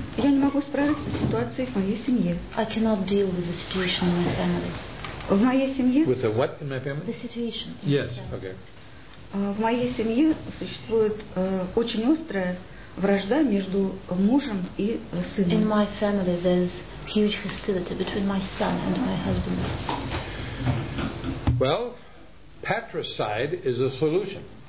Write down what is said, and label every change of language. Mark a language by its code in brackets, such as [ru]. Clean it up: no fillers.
[ru] Я не могу справиться с ситуацией в моей семье. [en] I cannot deal with the situation in my family. [ru] В моей семье... [en] With the what in my family? The situation. Yes, okay. [ru] В моей семье существует очень острая вражда между мужем и сыном. [en] In my family there's huge hostility between my son and my husband. Well, patricide is a solution.